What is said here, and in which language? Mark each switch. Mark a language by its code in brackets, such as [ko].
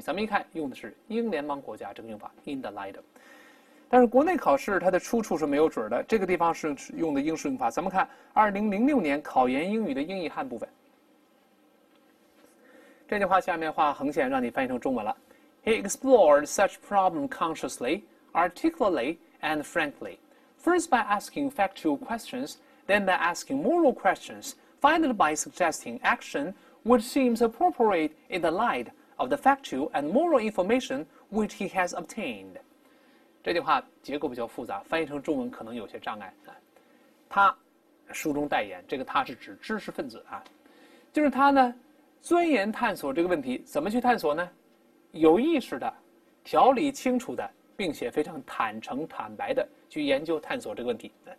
[zh] 咱们一看，用的是英联邦国家这个用法 [en] in the light of。 [zh] 但是国内考试它的出处是没有准的，这个地方是用的英式用法。咱们看2006年考研英语的英译汉部分。这句话下面画横线，让你翻译成中文了。 [en] He explored such problems consciously, articulately, and frankly. First by asking factual questions, then by asking moral questions, finally by suggesting action which seems appropriate in the light of the factual and moral information which he has obtained. [zh] 这句话结构比较复杂，翻译成中文可能有些障碍。他书中代言，这个他是指知识分子啊，就是他呢钻研探索这个问题，怎么去探索呢？有意识的、条理清楚的，并且非常坦诚坦白的去研究探索这个问题。